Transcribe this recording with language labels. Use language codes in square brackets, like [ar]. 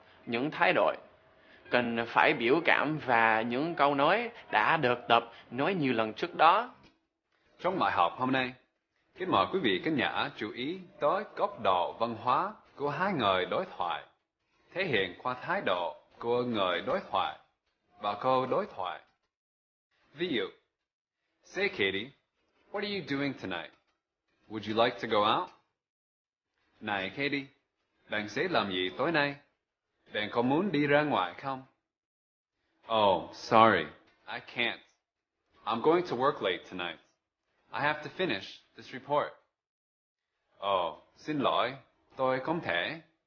[vi] những thái độ, cần phải biểu cảm và những câu nói đã được tập nói nhiều lần trước đó. Trong bài học hôm nay, kính mời quý vị khán giả chú ý tới góc độ văn hóa của hai người đối thoại, thể hiện qua thái độ của người đối thoại và câu đối thoại. Ví dụ, [en] say Katie, what are you doing tonight? Would you like to go out? [vi] Này Katie, bạn sẽ làm gì tối nay? Bạn có muốn đi ra ngoài không? [en] Oh, sorry, I can't. I'm going to work late tonight. I have to finish this report. [vi] Oh, xin lỗi, tôi không thể.